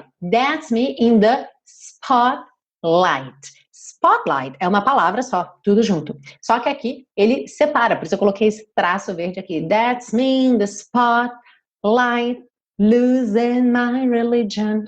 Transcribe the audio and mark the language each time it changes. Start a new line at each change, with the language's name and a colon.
English: That's me in the spotlight.
Portuguese: Spotlight é uma palavra só, tudo junto. Só que aqui ele separa, por isso eu coloquei esse traço verde aqui.
English: That's me in the spotlight, losing my religion.